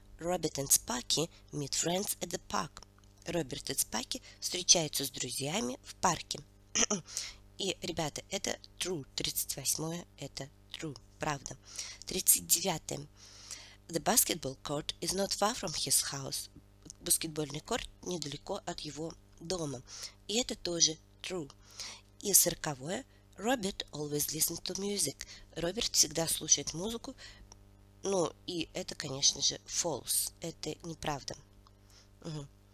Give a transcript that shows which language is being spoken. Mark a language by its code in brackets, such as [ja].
[en] Robert and Sparky meet friends at the park. [ru] Роберт и Спаки встречаются с друзьями в парке. И, ребята, это true. 38. Это true. Правда. 39. [en] The basketball court is not far from his house. [ru] Баскетбольный корт недалеко от его дома. И это тоже true. И 40. [en] Robert always listens to music. [ru] Роберт всегда слушает музыку. Ну, и это, конечно же, false. Это неправда. Угу.